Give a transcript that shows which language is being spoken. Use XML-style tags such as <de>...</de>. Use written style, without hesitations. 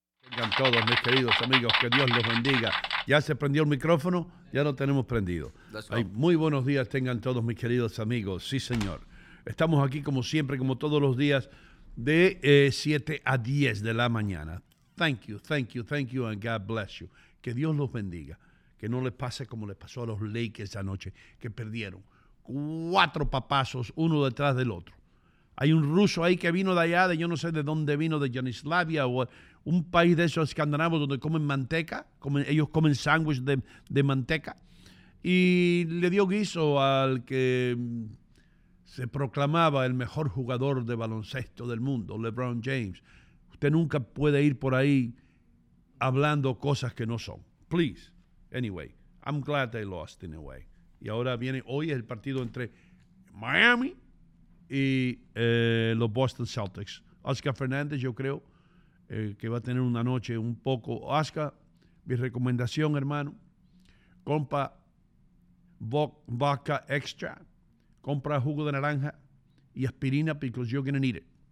<es>Tengan todos mis queridos amigos, que Dios los bendiga. Ya se prendió el micrófono, ya lo tenemos prendido. Ay, muy buenos días, tengan todos mis queridos amigos. Sí, señor. Estamos aquí como siempre, como todos los días, de 7 a 10 de la mañana.</es> <en>Thank you, thank you, thank you, and God bless you.</en> <es>Que Dios los bendiga. Que no les pase como les pasó a los Lakers anoche, que perdieron 4 papazos uno detrás del otro. Hay un ruso ahí que vino de allá, de yo no sé de dónde vino, de Yugoslavia o un país de esos escandinavos donde comen manteca, comen, ellos comen sándwich de manteca, y le dio guiso al que se proclamaba el mejor jugador de baloncesto del mundo, LeBron James. Usted nunca puede ir por ahí hablando cosas que no son.</es> <en>Please. Anyway, I'm glad they lost in a way.</en> <es>Y ahora viene, hoy es el partido entre Miami y los Boston Celtics. Oscar Fernández, yo creo, que va a tener una noche un poco. Oscar, mi recomendación, hermano, compra vodka extra, compra jugo de naranja y aspirina,</es> <en>because you're going to need it.</en>